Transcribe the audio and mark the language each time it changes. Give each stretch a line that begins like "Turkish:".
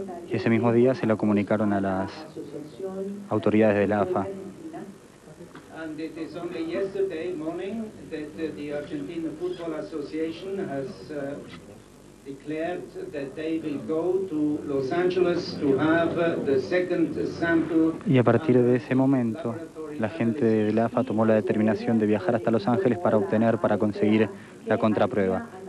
Spanish: Y ese mismo día se lo comunicaron a las autoridades de la AFA.
English: And it is only yesterday morning that the Argentina Football Association has declared that they will go to Los Angeles to have the second sample.
Spanish: Y a partir de ese momento, la gente de la AFA tomó la determinación de viajar hasta Los Ángeles para obtener, para conseguir la contraprueba.